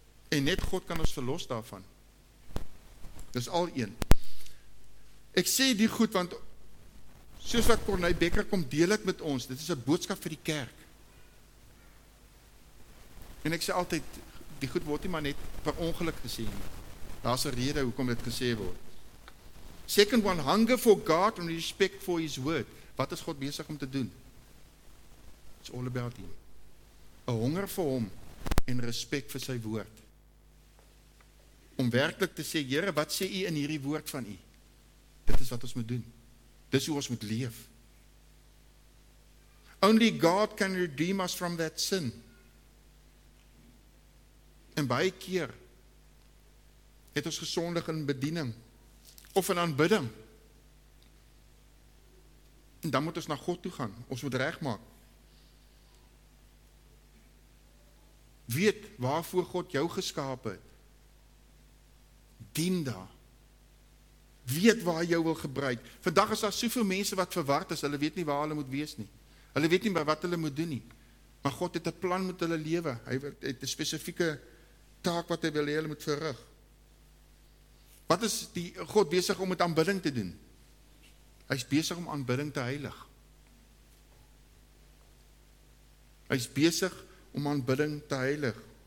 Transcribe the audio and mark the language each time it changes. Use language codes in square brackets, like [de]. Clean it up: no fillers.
[af] En net God kan ons verlos daarvan. Dis al een. Ek sê die goed, want soos wat Cornei Becker kom, deel het met ons. Dit is 'n boodskap vir die kerk. En ek sê altyd, die goed word nie maar net per ongeluk gesê. Daar is 'n rede hoekom dit gesê word. [en] Second one, hunger for God and respect for his word. [af] Wat is God besig om te doen? [en] It's all about him. [af] 'N honger vir hom en respect vir sy woord. Om werklik te sê, Here, wat sê U in hierdie woord van U? Dit is wat ons moet doen. Dis hoe ons moet leef. [en] Only God can redeem us from that sin. [af] En baie keer het ons gesondig in bediening of in aanbidding. En dan moet ons na God toe gaan, ons moet reg maak. Weet waarvoor God jou geskaap het. Dien daar. Weet waar hy jou wil gebruik. Vandag is daar soveel mense wat verward is, hulle weet nie waar hulle moet wees nie. Hulle weet nie wat hulle moet doen nie. Maar God het 'n plan met hulle lewe. Hy het 'n spesifieke taak wat hy wil hê hulle moet verrig. Wat is die God besig om met aanbidding te doen? Hy is besig om aanbidding te heilig. Hy is besig om aanbidding te heilig.